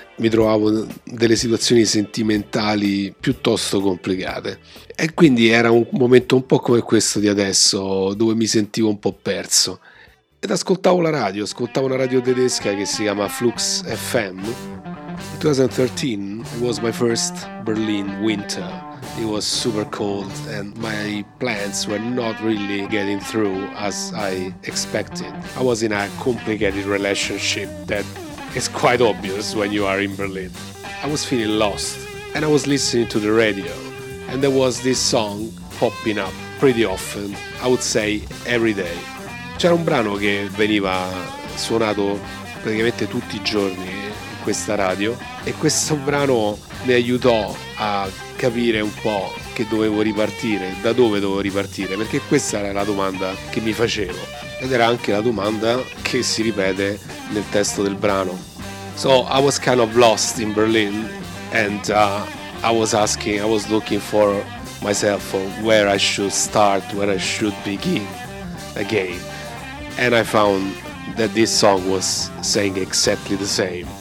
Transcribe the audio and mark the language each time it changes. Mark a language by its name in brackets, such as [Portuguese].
[Italian] Mi trovavo delle situazioni sentimentali piuttosto complicate e quindi era un momento un po' come questo di adesso, dove mi sentivo un po' perso ed ascoltavo una radio tedesca che si chiama Flux FM. [English] 2013 was my first Berlin winter. It was super cold and my plans were not really getting through as I expected. I was in a complicated relationship that it's quite obvious when you are in Berlin. I was feeling lost and I was listening to the radio and there was this song popping up pretty often, I would say every day. [Italian] C'era un brano che veniva suonato praticamente tutti i giorni in questa radio e questo brano mi aiutò a capire un po' che dovevo ripartire, da dove dovevo ripartire, perché questa era la domanda che mi facevo. Ed era anche la domanda che si ripete nel testo del brano. [English] So I was kind of lost in Berlin and I was looking for myself for where I should start, where I should begin again. And I found that this song was saying exactly the same.